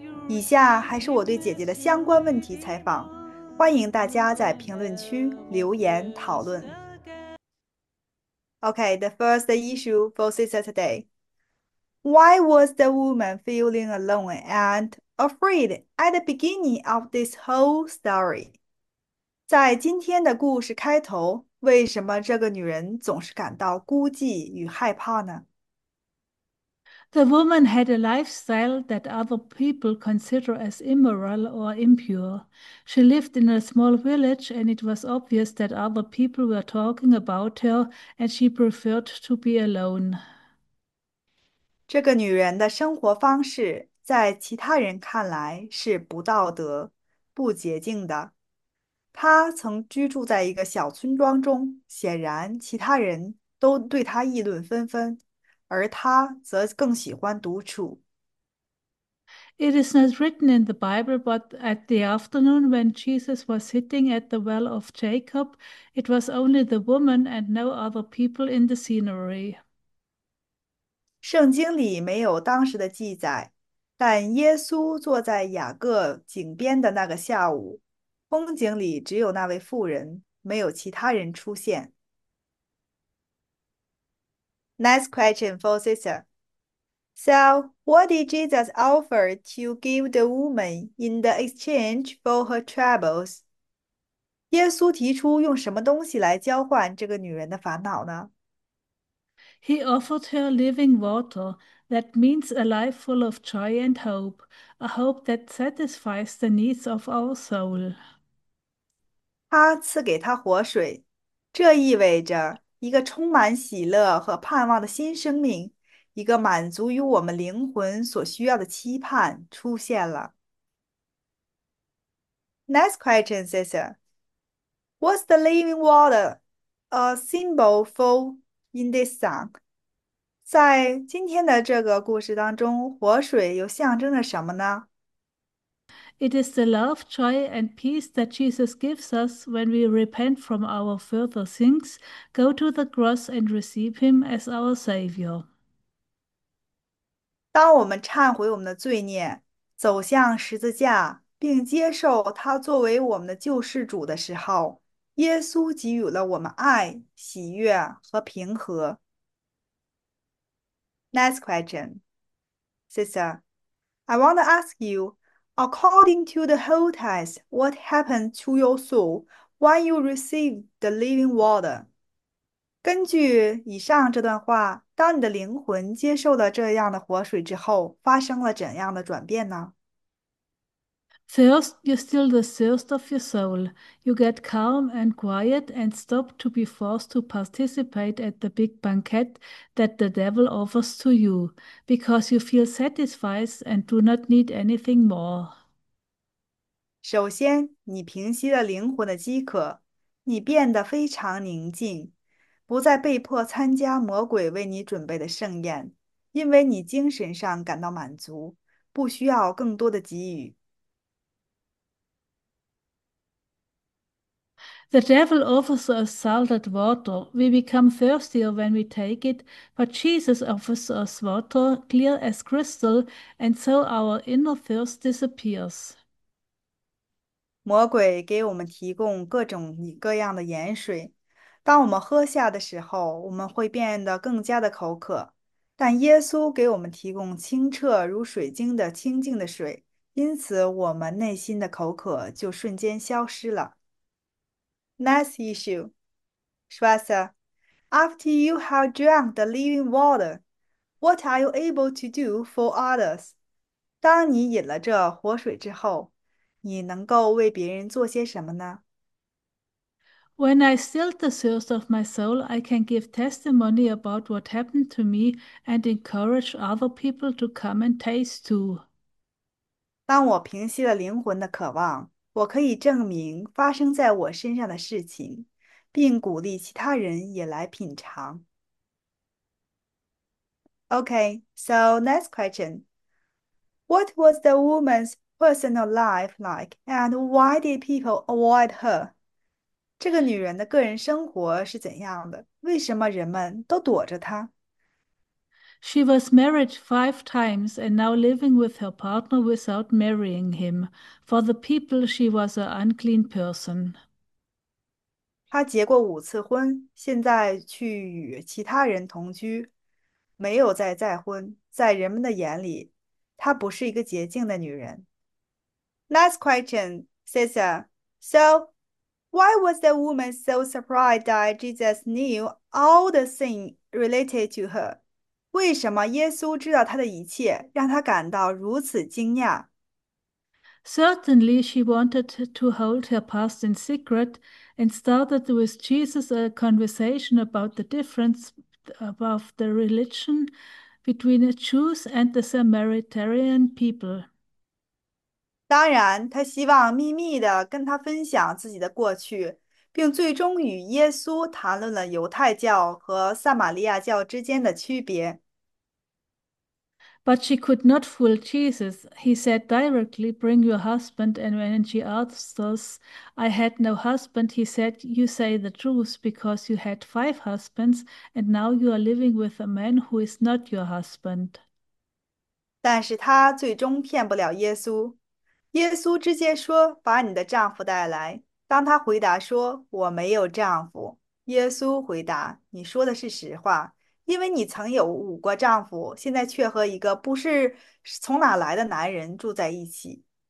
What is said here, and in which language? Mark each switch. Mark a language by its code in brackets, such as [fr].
[zh] 以下还是我对姐姐的相关问题采访，欢迎大家在评论区留言讨论。 [en] OK, the first issue for sister today. Why was the woman feeling alone and afraid at the beginning of this whole story? [zh] 在今天的故事开头，为什么这个女人总是感到孤寂与害怕呢？ [en] The woman had a lifestyle that other people consider as immoral or impure. She lived in a small village, and it was obvious that other people were talking about her, and she preferred to be alone. [zh] 这个女人的生活方式在其他人看来是不道德、不洁净的。她曾居住在一个小村庄中，显然其他人都对她议论纷纷。而他则更喜欢独处。 [en] It is not written in the Bible, but at the afternoon when Jesus was sitting at the well of Jacob, it was only the woman and no other people in the scenery. [zh] 圣经里没有当时的记载，但耶稣坐在雅各井边的那个下午，风景里只有那位妇人，没有其他人出现。 [en] Next question for sister. So, what did Jesus offer to give the woman in the exchange for her troubles? [zh] 耶稣提出用什么东西来交换这个女人的烦恼呢？ [en] He offered her living water, that means a life full of joy and hope, a hope that satisfies the needs of our soul. [zh] 他赐给她活水，这意味着一个充满喜乐和盼望的新生命，一个满足于我们灵魂所需要的期盼出现了。 [en] Next question, sister. What's the living water a symbol for in this song? [zh] 在今天的这个故事当中，活水又象征着什么呢？ [en] It is the love, joy, and peace that Jesus gives us when we repent from our further sins, go to the cross, and receive Him as our Savior. [zh] 当我们忏悔我们的罪孽，走向十字架，并接受他作为我们的救世主的时候，耶稣给予了我们爱、喜悦和平和。 [en] Next question. Sister, I want to ask you, according to the whole text, what happened to your soul when you received the living water? [zh] 根据以上这段话，当你的灵魂接受了这样的活水之后，发生了怎样的转变呢？ [en] First, you still the thirst of your soul. You get calm and quiet and stop to be forced to participate at the big banquet that the devil offers to you, because you feel satisfied and do not need anything more. [zh] 首先，你平息了灵魂的饥渴，你变得非常宁静。不再被迫参加魔鬼为你准备的盛宴，因为你精神上感到满足，不需要更多的给予。 [en] The devil offers us salted water. We become thirstier when we take it, but Jesus offers us water clear as crystal, and so our inner thirst disappears. [zh] 魔鬼给我们提供各种各样的盐水。当我们喝下的时候，我们会变得更加的口渴，但耶稣给我们提供清澈如水晶的清净的水，因此我们内心的口渴就瞬间消失了。 [en] Next issue, Schwester, After you have drunk the living water, what are you able to do for others? [zh] 当你饮了这活水之后，你能够为别人做些什么呢？ [en] When I stilled the thirst of my soul, I can give testimony about what happened to me and encourage other people to come and taste too. [zh] 当我平息了灵魂的渴望，我可以证明发生在我身上的事情，并鼓励其他人也来品尝。 [en] Okay, so next question. What was the woman's personal life like, and why did people avoid her? [zh] 这个女人的个人生活是怎样的？为什么人们都躲着她？ [en] She was married 5 times and now living with her partner without marrying him. For the people, she was an unclean person. [zh] 她结过5次婚，现在去与其他人同居，没有再婚。在人们的眼里，她不是一个洁净的女人。 [en] Next question, Sister. So, why was the woman so surprised that Jesus knew all the things related to her? [zh] 为什么耶稣知道她的一切，让她感到如此惊讶？ [en] Certainly, she wanted to hold her past in secret and started with Jesus a conversation about the difference of the religion between the Jews and the Samaritan people. [zh] 当然，他希望秘密地跟他分享自己的过去，并最终与耶稣谈论了犹太教和撒玛利亚教之间的区别。 [en] But she could not fool Jesus. He said directly, "Bring your husband." And when she asked us, "I had no husband," he said, "You say the truth because you had 5 husbands, and now you are living with a man who is not your husband." [zh] 但是他最终骗不了耶稣。耶稣直接说：“把你的丈夫带来。 ”当他回答说：“我没有丈夫。”耶稣回答：“你说的是实话，因为你曾有5个丈夫，现在却和一个不是从哪来的男人住在一起。